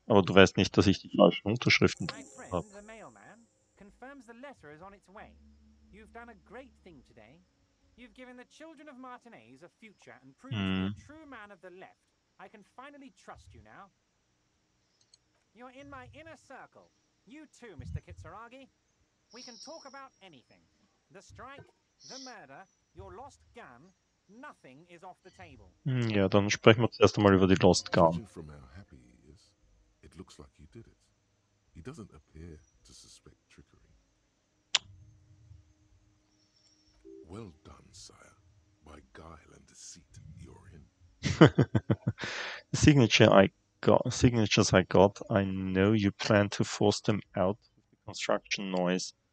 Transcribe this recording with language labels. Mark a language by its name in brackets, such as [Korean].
[German] Aber du weißt nicht, dass ich die falschen Unterschriften drin habe. [English] The mailman confirms the letter is on its way. You've done a great thing today. You've given the children of Martinez a future and proved to be a true man of the left. I can finally trust you now. You're in my inner circle. You too, Mr. Kitsuragi. We can talk about anything. The strike, the murder, your lost gun, nothing is off the table. [German] Ja, dann sprechen wir zuerst einmal über die Lost Gun. [English] From how happy he is, it looks like you did it. He doesn't appear to suspect trickery. Well done, sire. By guile and deceit, you're in. The signatures I got, I know you plan to force them out with the construction noise.